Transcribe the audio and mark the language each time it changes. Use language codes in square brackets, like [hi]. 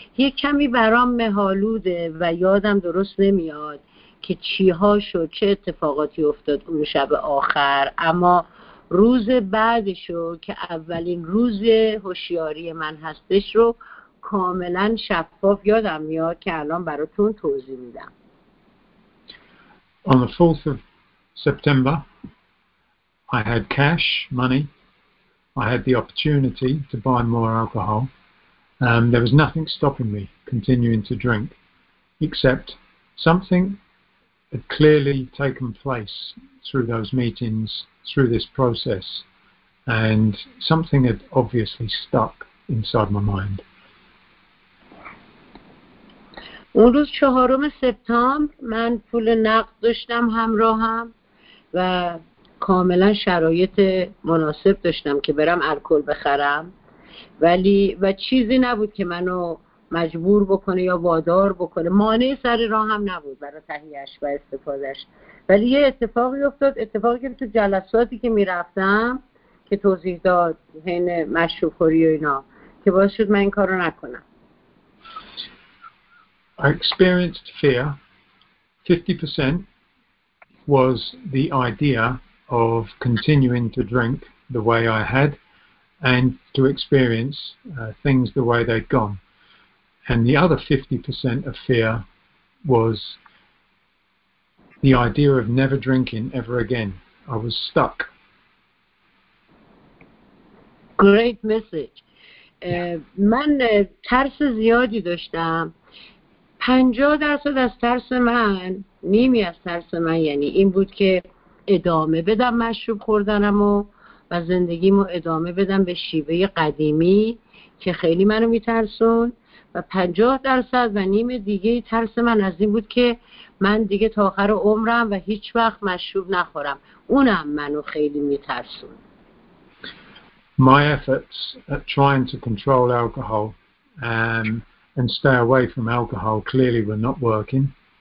[fa] یک کمی برام مهالوده و یادم درست نمیاد که چیها شد، چه اتفاقاتی افتاد اون شب آخر، اما روز بعدشو که اولین روز هوشیاری من هستش رو کاملا شفاف یادم میاد که الان براتون توضیح میدم. [en] On the 4th of September, I had cash, money. I had the opportunity to buy more alcohol. There was nothing stopping me continuing to drink, except something had clearly taken place through those meetings, through this process, and something had obviously stuck inside my mind. اون روز چهارم سپتامبر من پول نقد داشتم همراهم و کاملا شرایط مناسب داشتم که برم الکل بخرم، ولی و چیزی نبود که منو مجبور بکنه یا وادار بکنه، مانع سر راهم نبود برای تهیهش و استفادهش، ولی یه اتفاقی افتاد، اتفاقی که تو جلساتی که میرفتم که توضیح داد حین مشروب خوری و اینا که باعث شد من این کارو نکنم. I experienced fear. 50% was the idea of continuing to drink the way I had and to experience things the way they'd gone. And the other 50% of fear was the idea of never drinking ever again. I was stuck. Great message. [fa] من ترس زیادی داشتم. 50% از ترس من، نیمی از ترس من یعنی این بود که ادامه بدم مشروب خوردنم و زندگیمو ادامه بدم به شیوه قدیمی که خیلی منو میترسون، و 50% و نیم دیگه ترس من از این بود که من دیگه تا آخر عمرم و هیچ وقت مشروب نخورم، اونم منو خیلی میترسون. [en] My efforts at trying to control alcohol and stay away from alcohol clearly were not working.